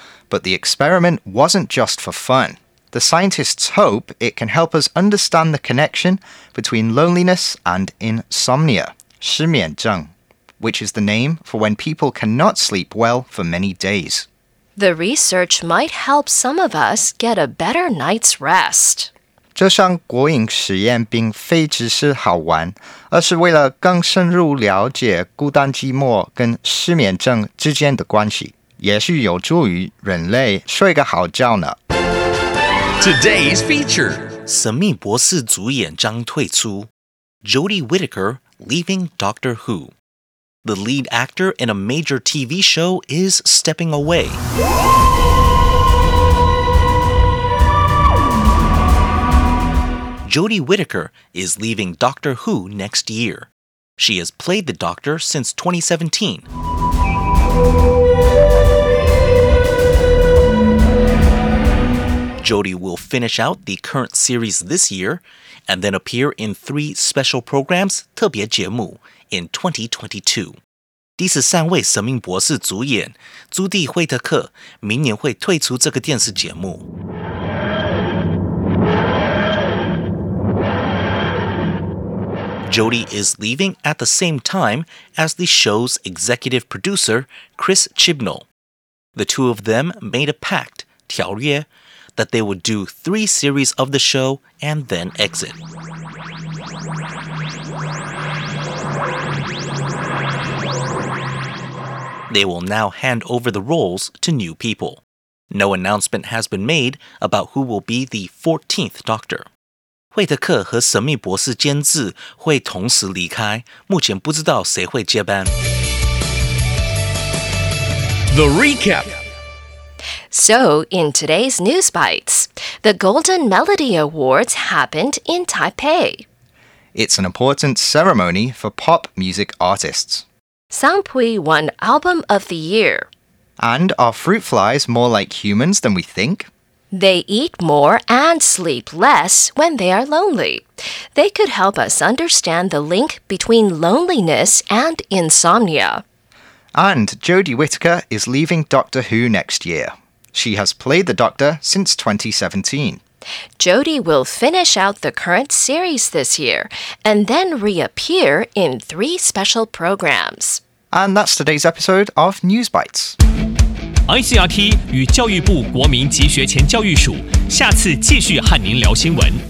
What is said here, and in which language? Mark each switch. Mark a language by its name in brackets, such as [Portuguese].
[English] But the experiment wasn't just for fun. The scientists hope it can help us understand the connection between loneliness and insomnia, [Chinese] 失眠症, [English] which is the name for when people cannot sleep well for many days. The research might help some of us get a better night's rest. [Chinese] 这项国营实验并非只是好玩，而是为了更深入了解孤单寂寞跟失眠症之间的关系，也许有助于人类睡个好觉呢。 [English] Today's feature. [Chinese] 神秘博士主演将退出. [English] Jodie Whittaker leaving Doctor Who. The lead actor in a major TV show is stepping away. Jodie Whittaker is leaving Doctor Who next year. She has played the Doctor since 2017. Jodie will finish out the current series this year and then appear in three special programs, [Chinese] 特别节目, [English] in 2022. [Chinese] 第十三位神秘博士主演朱蒂·惠特克明年会退出这个电视节目。 [English] Jodie is leaving at the same time as the show's executive producer, Chris Chibnall. The two of them made a pact, [Chinese] 条约, [English] that they would do three series of the show and then exit. They will now hand over the roles to new people. No announcement has been made about who will be the 14th Doctor. [Chinese] 惠特克和神秘博士监制会同时离开，目前不知道谁会接班。 [English] The Recap. So, in today's News Bites, the Golden Melody Awards happened in Taipei. It's an important ceremony for pop music artists. Sang Pui won Album of the Year. And are fruit flies more like humans than we think? They eat more and sleep less when they are lonely. They could help us understand the link between loneliness and insomnia. And Jodie Whittaker is leaving Doctor Who next year. She has played the Doctor since 2017. Jodie will finish out the current series this year and then reappear in three special programs. And that's today's episode of News Bites. [Chinese] ICRT 与教育部国民及学前教育署下次继续和您聊新闻。